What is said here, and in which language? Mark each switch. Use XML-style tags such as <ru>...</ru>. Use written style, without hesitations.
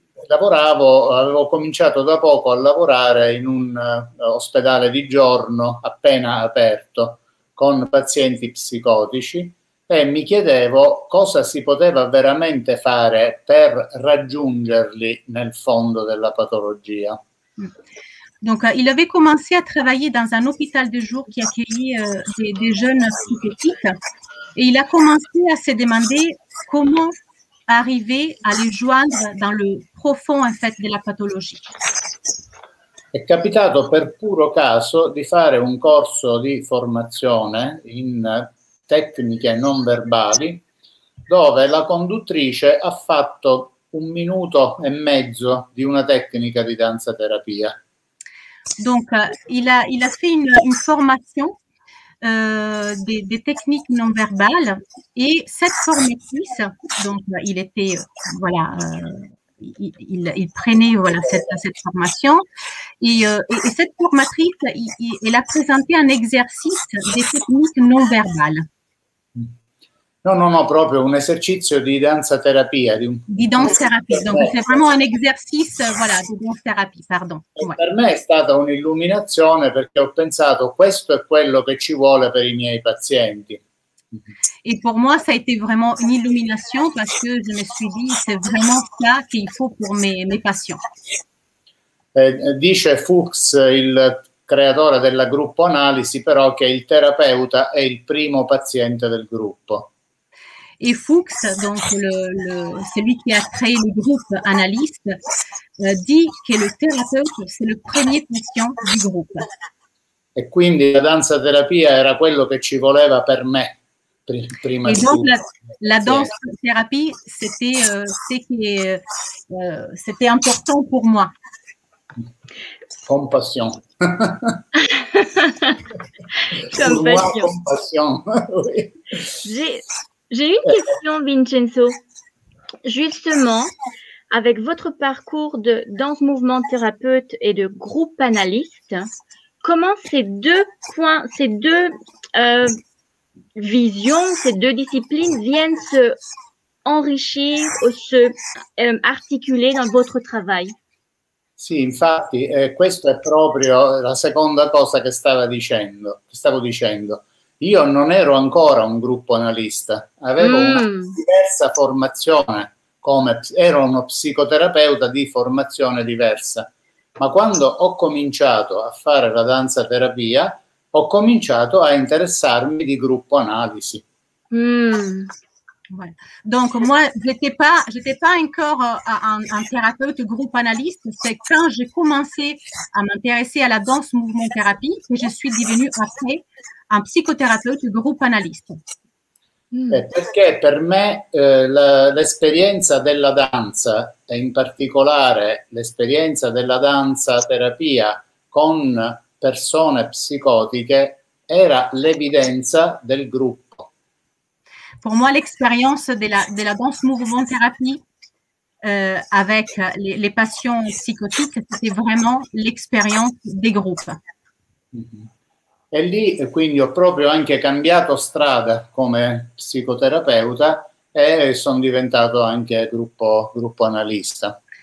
<it>Avevo cominciato da poco a lavorare in un ospedale di giorno appena aperto con pazienti psicotici. E mi chiedevo cosa si poteva veramente fare per raggiungerli nel fondo della patologia.</it> <fr>Donc, il avait commencé à travailler dans un hôpital de jour qui accueillait des jeunes psychotiques, et il a commencé à se demander comment arriver à les joindre dans le profond en fait de la pathologie.</fr> <it>È capitato per puro caso di fare un corso di formazione in tecniche non verbali, dove la conduttrice ha fatto un minuto e mezzo di una tecnica di danza terapia.</it> <fr>Donc il a fait une formation des techniques non verbales et cette formatrice, donc il était voilà il prenait voilà cette formation et cette formatrice elle a présenté un exercice des techniques non verbales.</fr> <it>No, proprio un esercizio di danza terapia. Di danza terapia, quindi c'è veramente un esercizio voilà, di danza terapia, pardon.</it> <fr>Ouais.</fr> <it>Per me è stata un'illuminazione perché ho pensato questo è quello che ci vuole per i miei pazienti. E per me</it> <fr>ça a été vraiment une illumination</fr> <it>perché</it> <fr>je me suis dit c'est vraiment ça qu'il faut pour mes patients.</fr> <it>Dice Fuchs, il creatore della gruppo analisi, però che il terapeuta è il primo paziente del gruppo.</it> <fr>et Fuchs, donc celui qui a créé le groupe analyste, dit que le thérapeute c'est le premier patient du groupe.</fr> <it>E quindi la danza terapia era quello che ci voleva per me prima di tutto.</it> <fr>La danza terapia c'était important pour moi. Compassion. Compassion. J'ai une question, Vincenzo. Justement, avec votre parcours de danse mouvement thérapeute et de groupe analyste, comment ces deux points, ces deux visions, ces deux disciplines viennent se enrichir ou se articuler dans votre travail?</fr> <it>Sì, infatti, questo è proprio la seconda cosa che stavo dicendo. Io non ero ancora un gruppo analista, avevo una diversa formazione, ero uno psicoterapeuta di formazione diversa. Ma quando ho cominciato a fare la danza terapia, ho cominciato a interessarmi di gruppo analisi.</it> <fr>Voilà. Donc moi, j'étais pas encore un thérapeute groupe analyste. C'est quand j'ai commencé à m'intéresser à la danse mouvement thérapie que je suis devenue après un psychothérapeute groupe analyste.</fr> <it>Perché per me l'esperienza della danza e in particolare l'esperienza della danza terapia con persone psicotiche era l'evidenza del gruppo.</it> <fr>Pour moi, l'expérience de la danse mouvement thérapie avec les patients psychotiques, c'était vraiment l'expérience des groupes.</fr> <it>E lì quindi ho proprio anche cambiato strada come psicoterapeuta e sono diventato anche gruppo analista.</it>